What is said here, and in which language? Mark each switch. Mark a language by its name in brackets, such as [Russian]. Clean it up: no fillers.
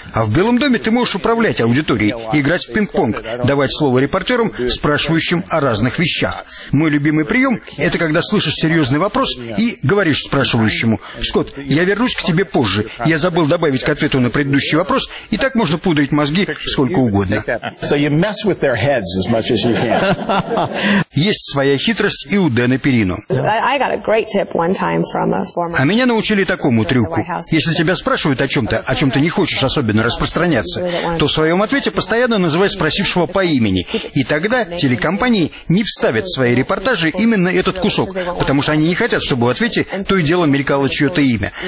[Russian] А в Белом доме ты можешь управлять аудиторией, играть в пинг-понг, давать слово репортерам, спрашивающим о разных вещах. Мой любимый прием – это когда слышишь серьезный вопрос и говоришь спрашивающему «Скотт, я вернусь к тебе позже, я забыл добавить к ответу на предыдущий вопрос, и так можно пудрить мозги сколько угодно». [English] So you mess with their heads as much as you can. [Russian] Есть своя хитрость и у Дэна Перино. А меня научили такому трюку. Если тебя спрашивают о чем ты не хочешь особенно распространяться, то в своем ответе постоянно называй спросившего по имени. И тогда телекомпании не вставят в свои репортажи именно этот кусок, потому что они не хотят, чтобы в ответе то и дело мелькало чье-то имя.